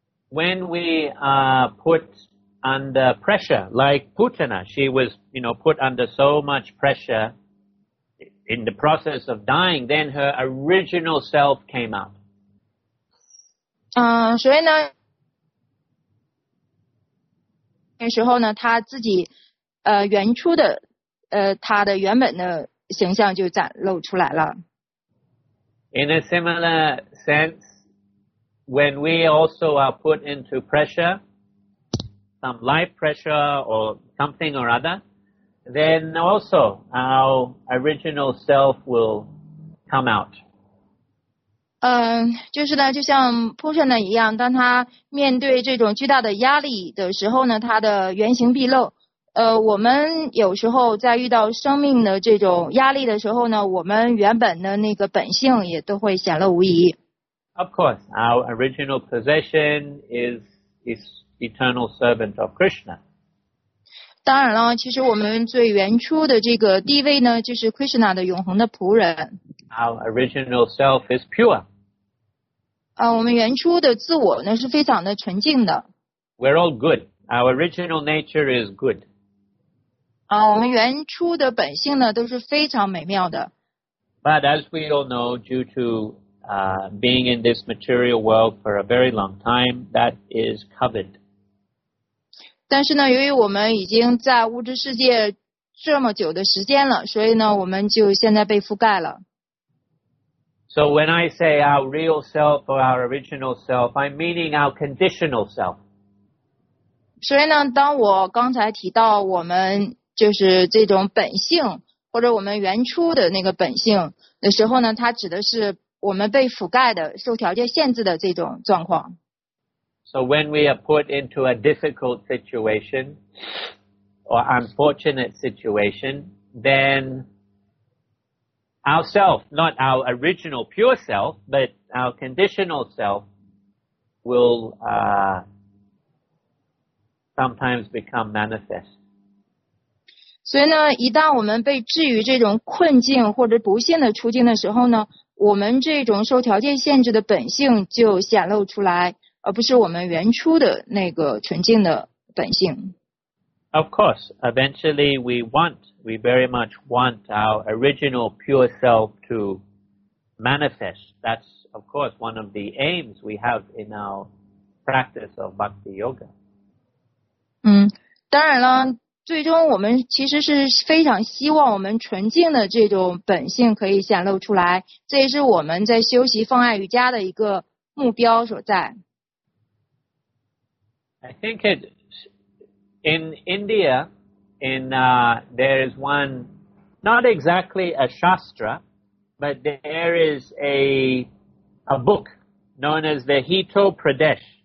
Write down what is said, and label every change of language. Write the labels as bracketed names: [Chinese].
[English] When we are put under pressure, like Putana, she was, you know, put under so much pressure in the process of dying, then her original self came out. [Chinese] 所以呢，那时候呢，她自己原初的她的原本的。形象就展露出来了。 [English] In a similar sense, when we also are put into pressure, some life pressure or something or other, then also our original self will come out. [Chinese] 就是呢，就像 Putana 一样，当他面对这种巨大的压力的时候呢，他的原形毕露。我们有时候在遇到生命的这种压力的时候呢，我们原本的那个本性也都会显露无遗。 [English] Of course, our original possession is eternal servant of Krishna. [Chinese] 当然了，其实我们最原初的这个地位呢，就是 Krishna 的永恒的仆人。 [English] Our original self is pure. [Chinese] 我们原初的自我呢是非常的纯净的。 [English] We're all good. Our original nature is good. [Chinese] 我们原初的本性呢都是非常美妙的。 [English] But as we all know, due to being in this material world for a very long time, that is covered. [Chinese] 但是呢，由于我们已经在物质世界这么久的时间了，所以呢，我们就现在被覆盖了。 [English] So when I say our real self or our original self, I'm meaning our conditional self. [Chinese] 所以呢，当我刚才提到我们就是这种本性或者我们原初的那个本性的时候呢，它指的是我们被覆盖的受条件限制的这种状况。 [English] So when we are put into a difficult situation or unfortunate situation, then our self, not our original pure self, but our conditional self will sometimes become manifest. [Chinese] 所以呢，一旦我们被置于这种困境或者不幸的处境的时候呢，我们这种受条件限制的本性就显露出来，而不是我们原初的那个纯净的本性。 [English] Of course, eventually we want, we very much want our original pure self to manifest. That's, of course, one of the aims we have in our practice of Bhakti Yoga. [Chinese] 嗯，当然了。最终我们其实是非常希望我们纯净的这种本性可以显露出来，这也是我们在修习放爱瑜伽的一个目标所在。 [English] I think it, in India, there is one, not exactly a shastra, but there is a book known as the Hito Pradesh.